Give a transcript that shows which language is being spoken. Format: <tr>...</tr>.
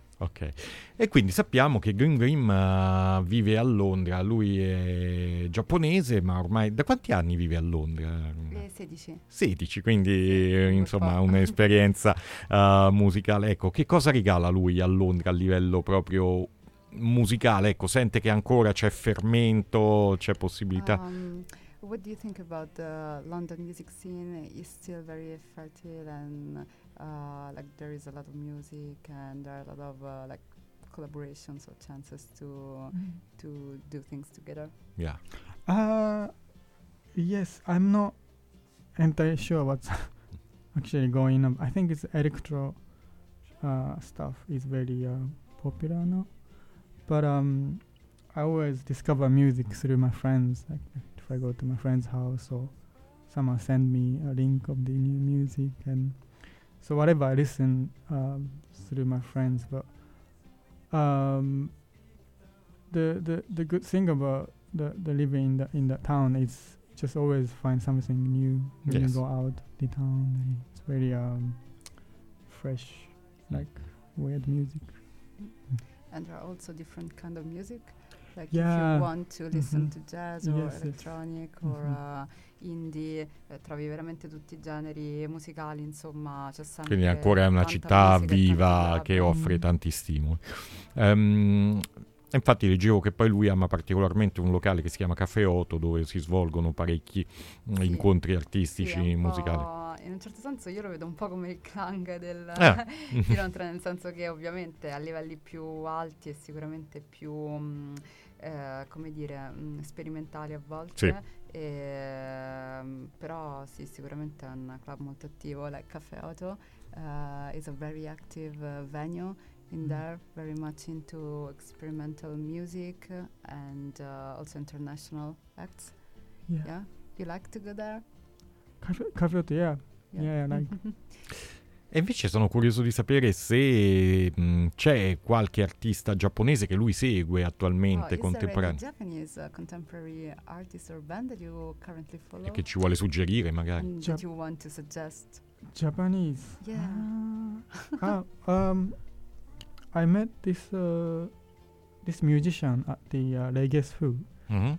<it>Ok, e quindi sappiamo che Grim Grim vive a Londra, lui è giapponese, ma ormai da quanti anni vive a Londra? 16, quindi insomma un'esperienza musicale. Ecco, che cosa regala lui a Londra a livello proprio musicale? Ecco, sente che ancora c'è fermento, c'è possibilità?</it> <en>What do you think about the London music scene? It's still very fertile and like there is a lot of music and there are a lot of like collaborations or chances to do things together. Yeah. Yes, I'm not entirely sure what's actually going on. I think it's electro stuff is very popular now. But I always discover music through my friends. Like if I go to my friend's house or someone send me a link of the new music and so whatever I listen through my friends, but the good thing about the living in the town is just always find something new when you go out the town. And it's very fresh, like weird music. and there are also different kind of music. Like yeah. if you want to listen mm-hmm. to jazz or yes, electronic yes. or mm-hmm.</en> <it>Indie, trovi veramente tutti i generi musicali, insomma. C'è sempre. Quindi ancora è una città viva che offre tanti stimoli. Infatti leggevo che poi lui ama particolarmente un locale che si chiama Caffè Otto, dove si svolgono parecchi sì. incontri artistici sì, musicali. In un certo senso io lo vedo un po' come il clang del Firontra, nel senso che ovviamente a livelli più alti e sicuramente più come dire sperimentali a volte sì.</it> <en>E, però sì, sicuramente è un club molto attivo, like Caffè Otto is a very active venue in there, very much into experimental music and also international acts. Yeah. Yeah, you like to go there? Caffè Otto,</en> <it>E invece sono curioso di sapere se c'è qualche artista giapponese che lui segue attualmente, contemporaneo.</it> <en>Japanese contemporary artist or band that you currently follow?</en> <it>E che ci vuole suggerire magari?</it> <en>That you want to suggest? Japanese. Yeah. I met this this musician at the Reggae's Fu mm-hmm.</en>